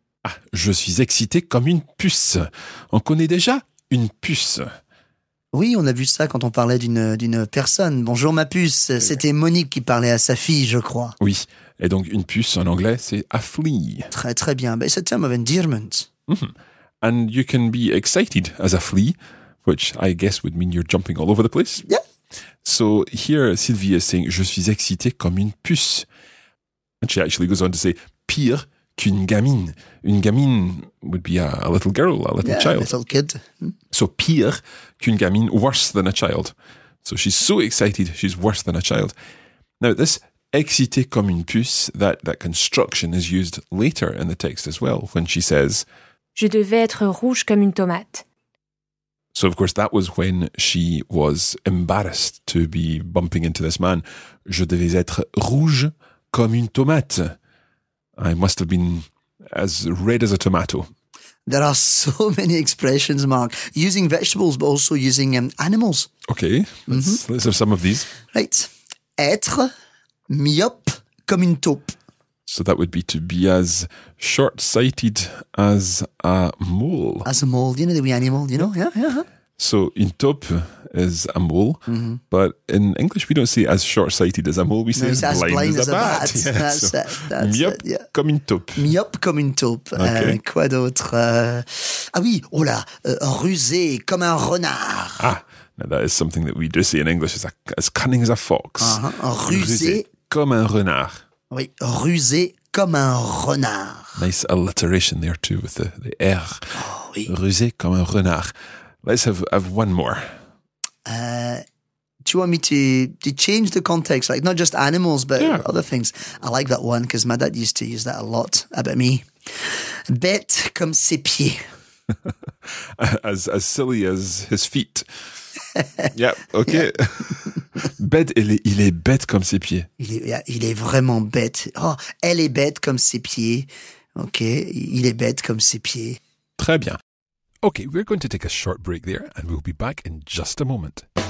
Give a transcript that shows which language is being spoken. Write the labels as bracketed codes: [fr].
[fr] Ah, je suis excité comme une puce. On connaît déjà une puce. Oui, on a vu ça quand on parlait d'une personne. Bonjour ma puce, c'était Monique qui parlait à sa fille, je crois. Oui, et donc une puce en anglais, c'est [en] a flea. [fr] Très très bien, mais c'est un terme [en] of endearment. Mm-hmm. And you can be excited as a flea, which I guess would mean you're jumping all over the place. Yeah. So here Sylvie is saying, [fr] je suis excité comme une puce. [en] And she actually goes on to say, [fr] pire qu'une gamine. [en] Une gamine would be a little girl, a little child. A little kid. So [fr] pire qu'une gamine, [en] worse than a child. So she's so excited, she's worse than a child. Now this [fr] excité comme une puce, [en] that construction is used later in the text as well, when she says, [fr] je devais être rouge comme une tomate. [en] So of course that was when she was embarrassed to be bumping into this man. [fr] Je devais être rouge comme une tomate. [en] I must have been as red as a tomato. There are so many expressions, Mark, using vegetables, but also using animals. Okay, let's have some of these. Right. [fr] Être myope comme une taupe. [en] So that would be to be as short-sighted as a mole. As a mole, you know, the wee animal, you know? Yeah, So une taupe is a mole, but in English we don't say as short-sighted as a mole, we say as blind as a bat. That's [fr] myope comme une taupe. Myope comme une taupe. [en] Okay. [fr] Quoi d'autre? Ah oui, oh là, rusé comme un renard. Ah, [en] Now that is something that we do say in English. It's as cunning as a fox. [fr] Rusé. Rusé comme un renard. Oui, rusé comme un renard. [en] Nice alliteration there too with the R. [fr] Oh, oui. Rusé comme un renard. [en] Let's have one more. Do you want me to change the context? Like not just animals, but yeah, other things. I like that one because my dad used to use that a lot about me. [fr] Bête comme ses pieds. [en] as silly as his feet. Yeah, okay. Yeah. [fr] Bête, il est bête comme ses pieds. Il est vraiment bête. Oh, elle est bête comme ses pieds. Okay, il est bête comme ses pieds. Très bien. [en] Okay, we're going to take a short break there and we'll be back in just a moment.